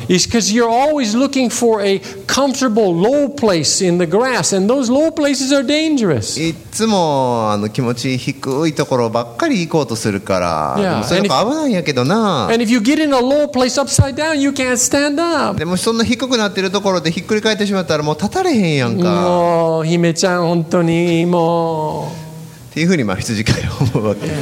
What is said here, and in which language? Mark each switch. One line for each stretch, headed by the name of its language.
English: is because you're always looking for a comfortable low place in the grass, and those low places are dangerous.
Japanese: いつも気持ち低いところばっかり行こうとするから、
English: yeah.
Japanese: でもそれやっぱ危ないんやけどな。
English: And if you get in a low place upside down, you can't stand up.
Japanese: でもそんな低くなってるところでひっくり返ってしまったらもう立たれへんやんか。もう姫ちゃん本当にもう。っていうふうに羊飼い思うわけ。